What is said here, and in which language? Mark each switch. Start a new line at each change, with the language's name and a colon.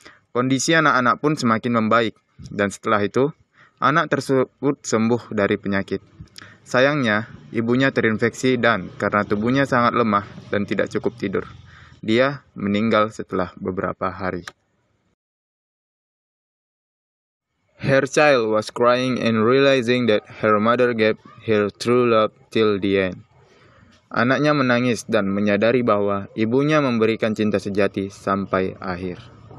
Indonesian: Kondisi anak-anak pun semakin membaik, dan setelah itu, anak tersebut sembuh dari penyakit. Sayangnya, ibunya terinfeksi dan karena tubuhnya sangat lemah dan tidak cukup tidur, dia meninggal setelah beberapa hari.
English: Her child was crying and realizing that her mother gave her true love till the end.
Indonesian: Anaknya menangis dan menyadari bahwa ibunya memberikan cinta sejati sampai akhir.